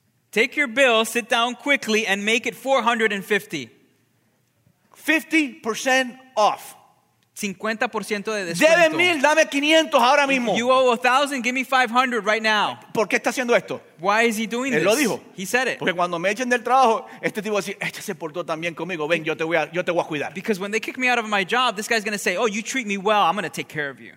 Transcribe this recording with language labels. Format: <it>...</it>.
<en>Take your bill, sit down quickly and make it 450. 50% off.</en> <es>50% de descuento. Debe 1,000, dame 500 ahora mismo.</es> <en>You owe 1,000, give me 500 right now.</en> <es>¿Por qué está haciendo esto?</es> <en>Why is he doing this?</en> <es>Él lo dijo.</es> <en>He said it.</en> <es>Porque cuando me echen del trabajo, este tipo va a decir, este se portó también conmigo. Ven, yo te voy a cuidar.</es> <en>Because when they kick me out of my job, this guy's going to say, oh, you treat me well, I'm going to take care of you.</en>